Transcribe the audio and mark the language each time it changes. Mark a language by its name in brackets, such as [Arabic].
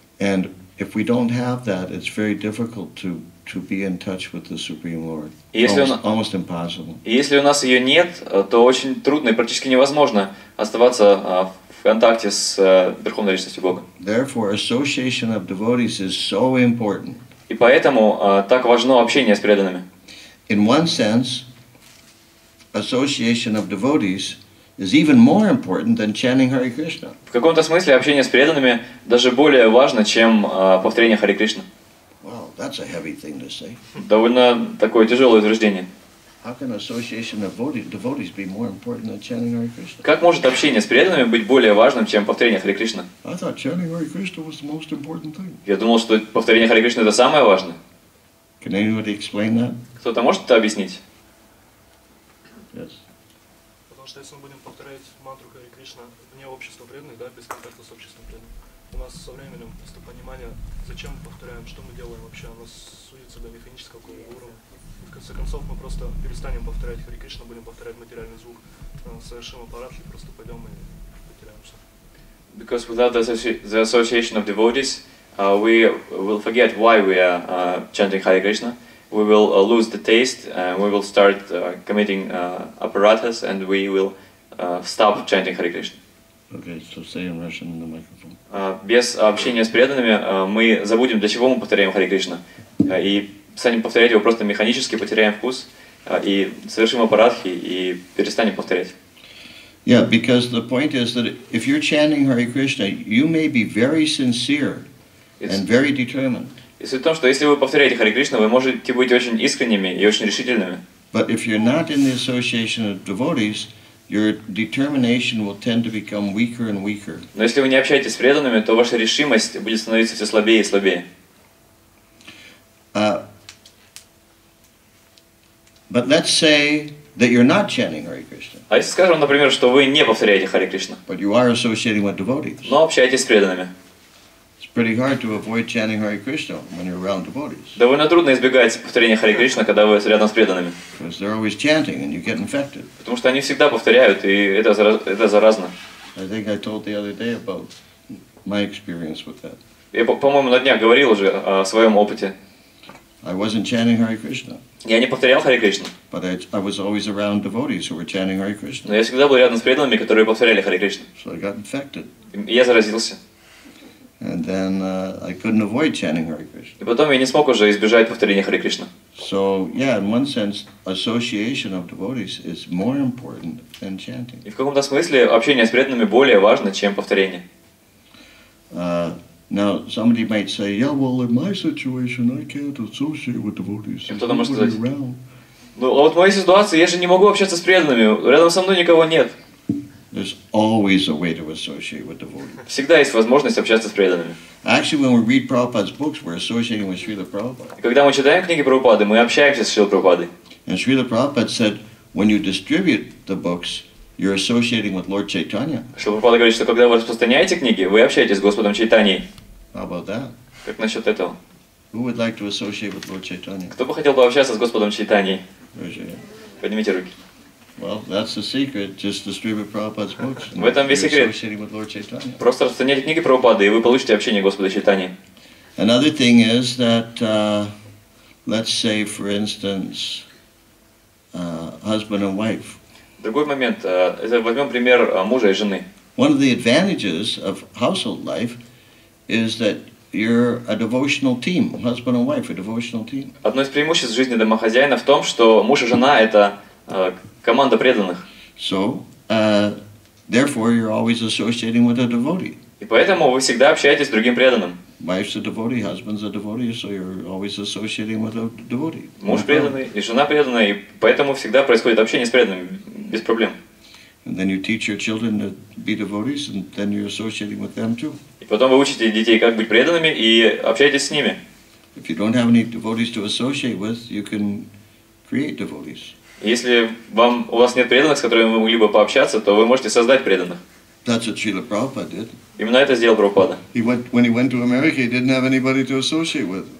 [English] And if we don't have that, it's very difficult to be in touch with the Supreme Lord. Almost impossible. [Russian] И если у нас ее нет, то очень трудно и практически невозможно оставаться в контакте с Верховной Личностью Бога. [English] Therefore, association of devotees is so important. [Russian] И поэтому так важно общение с преданными. [English] In one sense, association of devotees is even more important than chanting Hare Krishna. [Russian] В каком-то смысле общение с преданными даже более важно, чем повторение Харе Кришна. [English] Well, that's a heavy thing to say. [Russian] Довольно такое тяжелое утверждение. [English] How can association of devotees be more important than chanting Hare Krishna? [Russian] Как может общение с преданными быть более важным, чем повторение Харе Кришна? [English] I thought chanting Hare Krishna was the most important thing. [Russian] Я думал, что повторение Харе Кришна это самое важное. [English] Can anybody explain that? [Russian] Кто-то может это объяснить? [English] Yes. [Russian] Потому что если мы будем повторять мантру Харе Кришна вне общества преданных, да, без контакта с обществом преданных, у нас со временем просто понимание, зачем мы повторяем, что мы делаем вообще, оно сузится до механического какого-то уровня. В конце концов, мы просто перестанем повторять Харе Кришна, будем повторять материальный звук, совершим аппарат и просто пойдем и потеряемся. [English] Because without the association of devotees, we will forget why we are chanting Hare Krishna. We will lose the taste, and we will start committing apparatus, and we will stop chanting Hare Krishna. Okay, so say in Russian in the microphone. [Russian] Без общения с преданными мы забудем, для чего мы повторяем Харе Кришна. И станем повторять его просто механически, потеряем вкус, и совершим апаратхи, и перестанем повторять. [English] Yeah, because the point is that if you're chanting Hare Krishna, you may be very sincere and very determined. [Russian] И суть в том, что если вы повторяете Харе Кришну, вы можете быть очень искренними и очень решительными. [English] But if you're not in the association of devotees, your determination will tend to become weaker and weaker. [Russian] Но если вы не общаетесь с преданными, то ваша решимость будет становиться все слабее и слабее. [English] But let's say that you're not chanting Hare Krishna. [Russian] А если скажем, например, что вы не повторяете Харе Кришна. [English] But you are associating with devotees. [Russian] Но общаетесь с преданными. [English] It's pretty hard to avoid chanting Hare Krishna when you're around devotees. [Russian] Довольно трудно избегать повторения Харе Кришна, когда вы рядом с преданными. [English] Because they're always chanting and you get infected. [Russian] Потому что они всегда повторяют, и это заразно. [English] I think I told the other day about my experience with that. [Russian] Я, по-моему, на днях говорил уже о своем опыте. [English] I wasn't chanting Hare Krishna. [Russian] Я не повторял Харе Кришна. [English] But I was always around devotees who were chanting Hare Krishna. [Russian] Но я всегда был рядом с преданными, которые повторяли Харе Кришна. [English] So I got infected. [Russian] Я заразился. [English] And then I couldn't avoid chanting Hare Krishna. [Russian] И потом я не смог уже избежать повторения Харе Кришна. [English] So yeah, in one sense, association of devotees is more important than chanting. [Russian] И в каком-то смысле общение с преданными более важно, чем повторение. [English] Now somebody might say, "Yeah, well, in my situation, I can't associate with devotees." [Russian] Кто-то может сказать: "Ну, а вот в моей ситуации я же не могу общаться с преданными. Рядом со мной никого нет." [English] There's always a way to associate with devotees. [Russian] Всегда есть возможность общаться с преданными. [English] Actually, when we read Prabhupada's books, we're associating with Srila Prabhupada. [Russian] Когда мы читаем книги Прабхупады, мы общаемся с Шрилой Прабхупадой. [English] And Srila Prabhupada said, "When you distribute the books, you're associating with Lord Chaitanya." [Russian] Шрила Прабхупада говорит, что когда вы распространяете книги, вы общаетесь с Господом Чайтаньей. [English] How about that? [Russian] Как насчет этого? [English] Who would like to associate with Lord Chaitanya? [Russian] Кто бы хотел пообщаться с Господом Чайтаньей? Поднимите руки. [English] Well, that's the secret. Just distribute Prabhupada's books. [Russian] В этом весь секрет. [English] You're associating with Lord Chaitanya. [Russian] Просто распространяйте книги Прабхупады, и вы получите общение Господа Чайтаньи. [English] Another thing is that, let's say, for instance, husband and wife. [Russian] Другой момент. Возьмем пример мужа и жены. [English] One of the advantages of household life is that you're a devotional team. Husband and wife, a devotional team. [Russian] Одно из преимуществ жизни домохозяина в том, что муж и жена — это команда преданных. [English] So, therefore, you're always associating with a devotee. [Russian] И поэтому вы всегда общаетесь с другим преданным. [English] Wife's a devotee, husband's a devotee, so you're always associating with a devotee. [Russian] Муж преданный и жена преданная, и поэтому всегда происходит общение с преданным без проблем. [English] And then you teach your children to be devotees, and then you're associating with them too. [Russian] И потом вы учите детей, как быть преданными, и общаетесь с ними. [English] If you don't have any devotees to associate with, you can create devotees. [Russian] Если вам, у вас нет преданных, с которыми вы могли бы пообщаться, то вы можете создать преданных. [English] That's what Srila Prabhupada did. [Russian] Именно это сделал Прабхупада. [English] When he went to America, he didn't have anybody to associate with.